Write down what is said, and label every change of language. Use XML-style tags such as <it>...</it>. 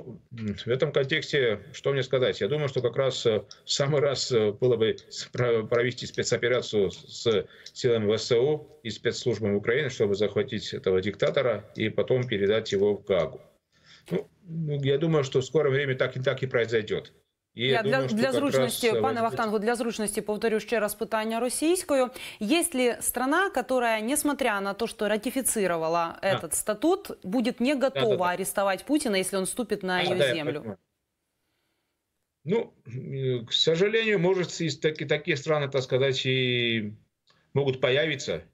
<ru>Ну, в этом контексте, что мне сказать? Я думаю, что как раз в самый раз было бы провести спецоперацию с силами ВСУ и спецслужбами Украины, чтобы захватить этого диктатора и потом передать его в Гаагу. Ну, я думаю, что в скором времени так и произойдет.</ru> <uk>Для зручности повторю</uk> <ru>еще раз</ru> <uk>питання російською.</uk> <ru>Есть ли страна, которая, несмотря на то, что ратифицировала этот статут, будет не готова арестовать Путина, если он ступит на ее землю? Ну, к сожалению, может, такие страны, так сказать, и могут появиться.</ru>